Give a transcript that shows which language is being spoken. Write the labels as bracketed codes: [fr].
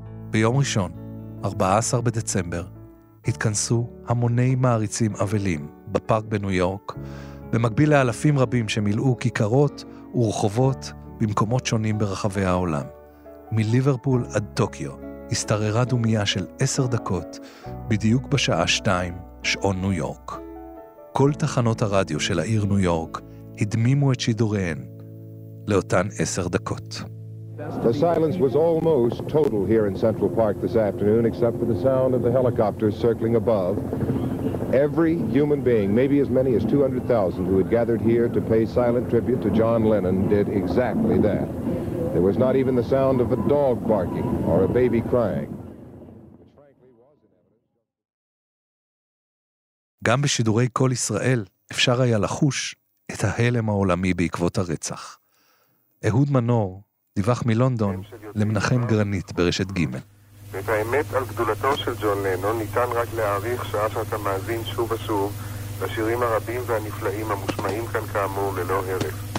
[he] ביום ראשון, 14 בדצמבר, התכנסו המוני מעריצים אבלים בפארק בניו יורק, במקביל לאלפים רבים שמילאו כיכרות ורחובות במקומות שונים ברחבי העולם. מליברפול עד טוקיו הסתררה דומיה של 10 דקות בדיוק בשעה 2 שעון ניו יורק. כל תחנות הרדיו של העיר ניו יורק הדמימו את שידוריהן לאותן 10 דקות. [en] The silence was almost total here in Central Park this afternoon, except for the sound of the helicopters circling above. Every human being, maybe as many as 200,000 who had gathered here to pay silent tribute to John Lennon, did exactly that. There was not even the sound of a dog barking or a baby crying. [he] גם בשידורי כל ישראל אפשר היה לחוש את ההלם העולמי בעקבות הרצח. אהוד מנור דיווח מלונדון למנחם גרנית ברשת ג'. את האמת על גדולתו של ג'ון לנון ניתן רק להעריך שעה שאתה מאזין שוב ושוב לשירים הרבים והנפלאים המושמעים כאן כאמור ללא הרף.